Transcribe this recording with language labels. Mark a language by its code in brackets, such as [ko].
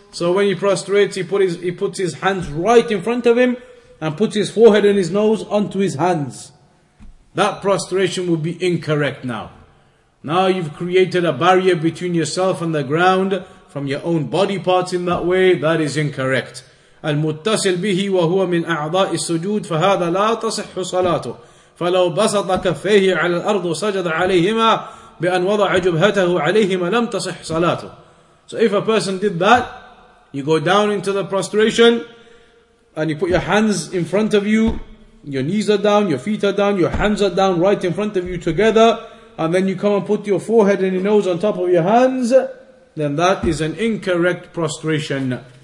[en] So when he prostrates, he puts his hands right in front of him and puts his forehead and his nose onto his hands. That prostration would be incorrect now. Now you've created a barrier between yourself and the ground from your own body parts in that way. That is incorrect. [ar] المتصل به وهو من أعضاء السجود فهذا لا تصح صلاته فلو بسط كفيه على الأرض وسجد عليهما بأن وضع جبهته عليهما لم تصح صلاته. [en] So if a person did that, you go down into the prostration and you put your hands in front of you, your knees are down, your feet are down, your hands are down right in front of you together, and then you come and put your forehead and your nose on top of your hands, then that is an incorrect prostration.